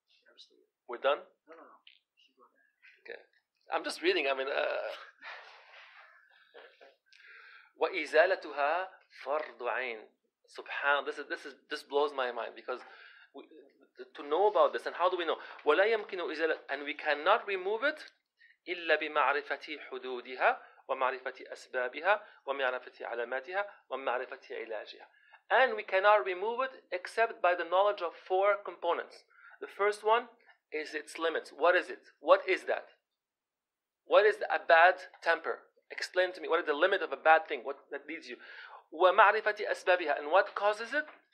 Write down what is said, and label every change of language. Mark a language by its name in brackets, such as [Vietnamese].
[English] Absolutely. We're done. No. I'm just reading, I mean, [Arabic] وَإِزَالَتُهَا فَرْضُ عَيْنِ. [English] Subhanallah, this blows my mind, because to know about this, and how do we know? [Arabic] وَلَا يَمْكِنُ إِزَالَتُهَا, [English] and we cannot remove it, [Arabic] إِلَّا بِمَعْرِفَةِ حُدُودِهَا وَمَعْرِفَةِ أَسْبَابِهَا وَمَعْرِفَةِ عَلَامَاتِهَا وَمَعْرِفَةِ عِلَاجِهَا. [English] And we cannot remove it except by the knowledge of four components. The first one is its limits. What is it? What is that? What is a bad temper? Explain to me. What is the limit of a bad thing? What that leads you? [Arabic] وَمَعْرِفَةِ أَسْبَابِهَا. [English] And what causes it?